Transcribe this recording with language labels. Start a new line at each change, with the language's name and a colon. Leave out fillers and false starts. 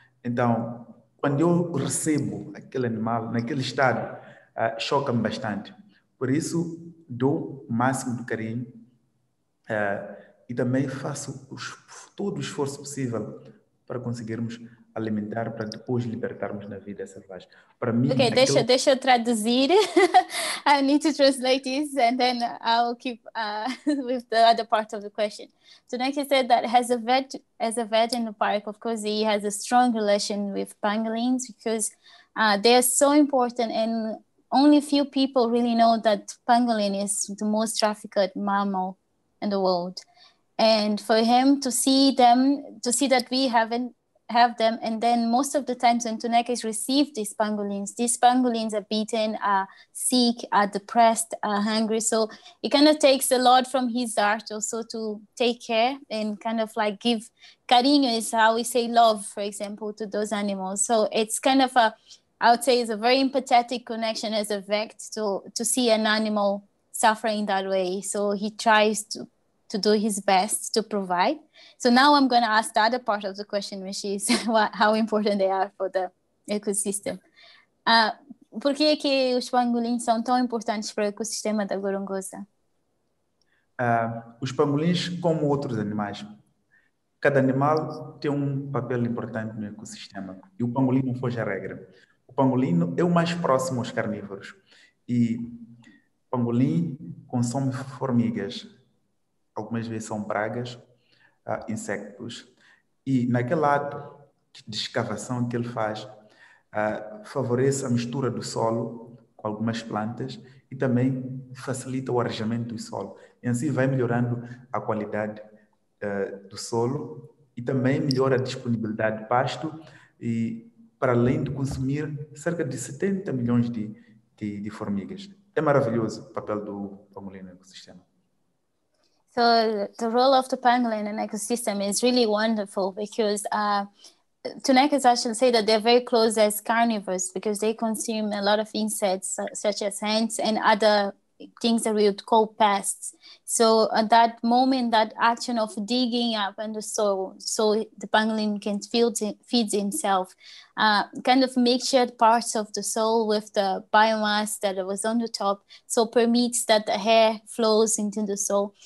Portuguese: Então, quando eu recebo aquele animal naquele estado, choca-me bastante. Por isso, dou o máximo de carinho e também faço todo o esforço possível para conseguirmos alimentar, para depois libertarmos na vida selvagem. Para mim, okay, deixa eu traduzir.
English: I need to translate this and then I'll keep with the other part of the question. So like I said, that as a vet in the park, of course, he has a strong relation with pangolins because they are so important, and only few people really know that pangolin is the most trafficked mammal in the world. And for him to see them, to see that we have them, and then most of the times when Tanekis receive these pangolins are beaten, are sick, are depressed, are hungry. So it kind of takes a lot from his heart also to take care and kind of like give cariño, is how we say love, for example, to those animals. So it's kind of a very empathetic connection as a vet to see an animal suffering that way. So he tries to do his best to provide. So now I'm going to ask the other part of the question, which is how important they are for the ecosystem.
Portuguese: Por que é que os pangolins são tão importantes para o ecossistema da Gorongosa? Os pangolins, como outros animais, cada animal tem um papel importante no ecossistema. E o pangolim não foge à regra. O pangolim é o mais próximo aos carnívoros. E o pangolim consome formigas. Algumas vezes são pragas, insectos. E naquele ato de escavação que ele faz, favorece a mistura do solo com algumas plantas e também facilita o arejamento do solo. E assim vai melhorando a qualidade do solo e também melhora a disponibilidade de pasto, e para além de consumir cerca de 70 milhões de formigas. É maravilhoso o papel do pangolim no ecossistema.
English: So the role of the pangolin in the ecosystem is really wonderful because Tanekis actually say that they're very close as carnivores because they consume a lot of insects such as ants and other things that we would call pests. So at that moment, that action of digging up in the soil so the pangolin can feed himself, kind of mixed parts of the soil with the biomass that was on the top, so permits that the air flows into the soil.